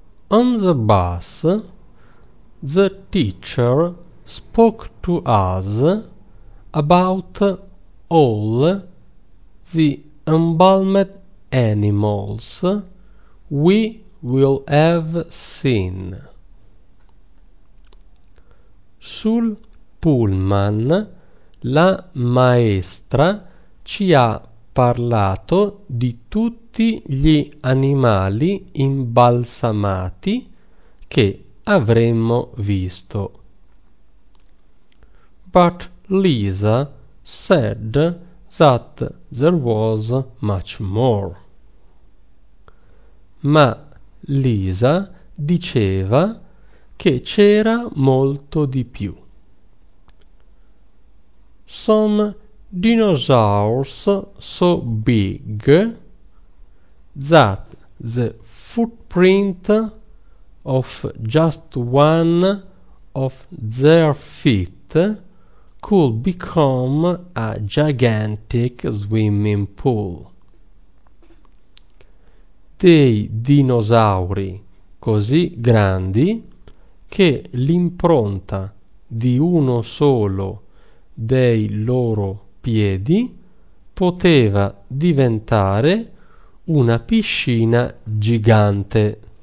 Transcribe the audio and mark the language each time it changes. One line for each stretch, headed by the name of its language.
English: On the bus, the teacher spoke to us about all the embalmed animals we will have seen.
Italian: Sul pullman, la maestra ci ha parlato di tutti gli animali imbalsamati che avremmo visto.
English: But Lisa said that there was much more.
Italian: Ma Lisa diceva che c'era molto di più.
English: Some dinosaurs so big that the footprint of just one of their feet could become a gigantic swimming pool.
Italian: Dei dinosauri così grandi che l'impronta di uno solo dei loro piedi poteva diventare una piscina gigante.